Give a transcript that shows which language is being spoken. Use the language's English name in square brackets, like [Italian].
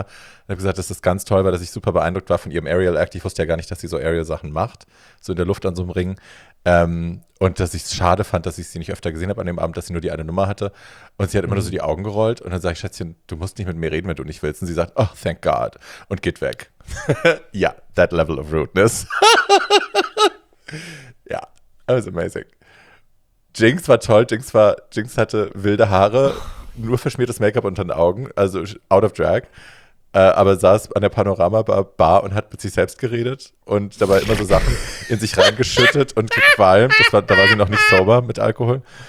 [German] Und habe gesagt, dass das ganz toll war, dass ich super beeindruckt war von ihrem Aerial Act. Ich wusste ja gar nicht, dass sie so Aerial-Sachen macht, so in der Luft an so einem Ring. Und dass ich es schade fand, dass ich sie nicht öfter gesehen habe an dem Abend, dass sie nur die eine Nummer hatte. Und sie hat immer nur so die Augen gerollt. Und dann sage ich, Schätzchen, du musst nicht mit mir reden, wenn du nicht willst. Und sie sagt, [English] oh, thank God. [German] Und geht weg. [English] Ja, that level of rudeness. Ja, that was amazing. [German] Jinx war toll, Jinx hatte wilde Haare, nur verschmiertes Make-up unter den Augen, also [English] out of drag, [German] aber saß an der Panorama-Bar und hat mit sich selbst geredet und dabei immer so Sachen in sich reingeschüttet und gequalmt, da war sie noch nicht sober mit Alkohol.